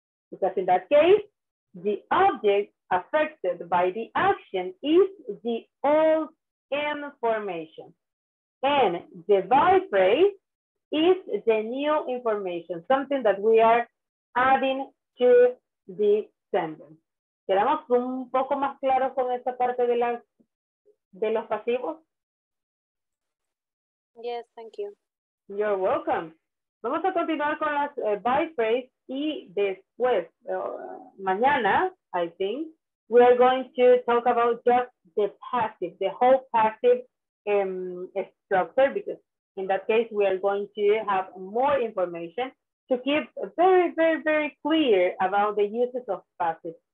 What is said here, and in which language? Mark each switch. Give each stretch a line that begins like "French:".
English: Because in that case, the object affected by the action is the old information. And the by phrase is the new information, something that we are adding to the sentence.
Spanish: ¿Quedamos un poco más claros con esta parte de los pasivos?
English: Yes, thank you. You're welcome.
Spanish: Vamos a continuar con las by phrase y después, mañana,
English: I think, we are going to talk about just the passive, the whole passive structure, because in that case, we are going to have more information to keep very, very, very clear about the uses of passive.